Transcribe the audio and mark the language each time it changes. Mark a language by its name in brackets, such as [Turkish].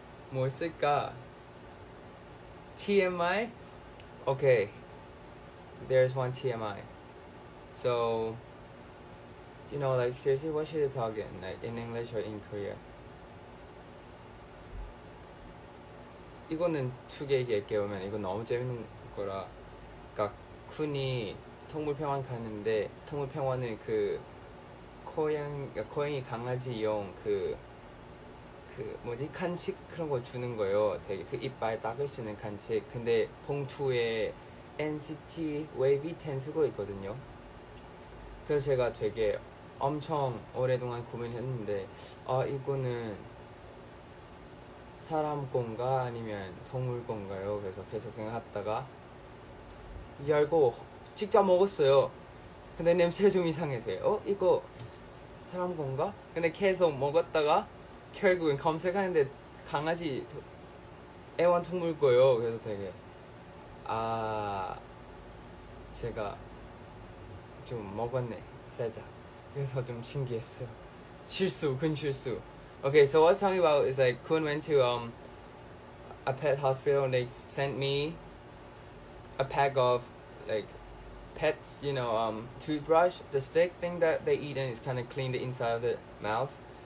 [Korean] 뭐 있을까? TMI? [English] Okay, there's one TMI. So, you know, like seriously, what should I talk in? Like in English or in Korea? [Korean] 이거는 두 개 얘기하면 이거 너무 재밌는 거라. 쿤이 동물병원 갔는데 동물병원은 그 고양이 강아지용 그 뭐지 간식 그런 거 주는 거예요. 되게 그 이빨 닦을 수 있는 간식. 근데 봉투에 NCT Wayv 10 쓰고 있거든요. 그래서 제가 되게 엄청 오랫동안 고민했는데 아 이거는 사람 건가 아니면 동물 건가요? 그래서 계속 생각하다가 열고 직접 먹었어요. 근데 냄새 좀 이상해 돼. 어? 이거 사람 건가? 근데 계속 먹었다가 결국엔 검색하는데 강아지 애완동물 거예요. 그래서 되게 아 제가 좀 먹었네 살짝. 그래서 좀 신기했어요. 실수 근 실수. [English] Okay, so what's talking about is like Kun went to a pet hospital and they sent me a pack of like pets, you know, toothbrush, the stick thing that they eat and it's kind of clean the inside of the mouth.